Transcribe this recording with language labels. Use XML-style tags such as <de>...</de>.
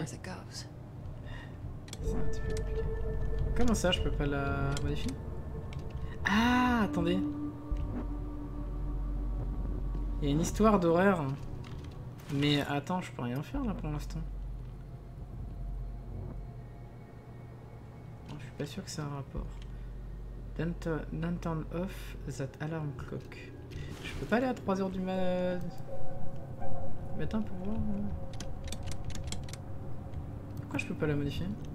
<fr>C'est un petit peu compliqué. Comment ça, je peux pas la modifier? Ah, attendez. Il y a une histoire d'horaire. Mais attends, je peux rien faire là pour l'instant. Je suis pas sûr que c'est un rapport.</fr> <en>Don't turn off that alarm clock.</en> <fr>Je peux pas aller à 3h du matin pour voir. Pourquoi je peux pas la modifier?</fr>